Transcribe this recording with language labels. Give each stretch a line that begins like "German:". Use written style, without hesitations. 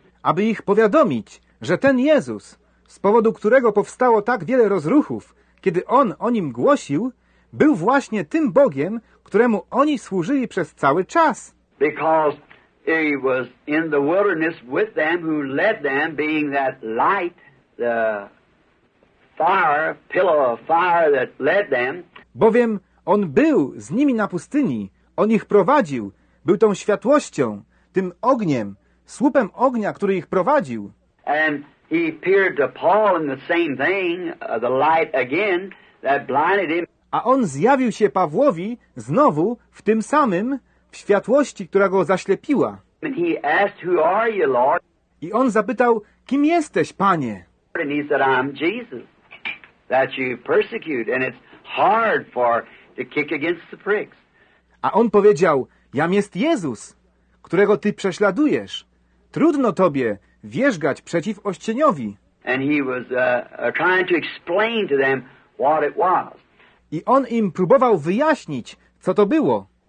Polish: aby ich powiadomić, że ten Jezus, z powodu którego powstało tak wiele rozruchów, kiedy On o Nim głosił, był właśnie tym Bogiem, któremu oni służyli przez cały czas.
English: Because he was in the wilderness with them who led them, being that light, the fire, pillar of fire that led them.
Polish: Bowiem On był z nimi na pustyni, On ich prowadził, był tą światłością, tym ogniem, słupem ognia, który ich prowadził.
English: And he appeared to Paul in the same thing, the light again that blinded him.
Polish: A On zjawił się Pawłowi znowu w tym samym, w światłości, która go zaślepiła.
English: And he asked, "Who are you, Lord?"
Polish: I On zapytał, kim jesteś, Panie?
English: And he said, "I'm Jesus that you persecute, and it's hard for to kick against the pricks."
Polish: A On powiedział, jam jest Jezus, którego ty prześladujesz. Trudno tobie wierzgać przeciw ościeniowi.
English: And he was trying to explain to them what it was.
Polish: I On im próbował wyjaśnić, co to było.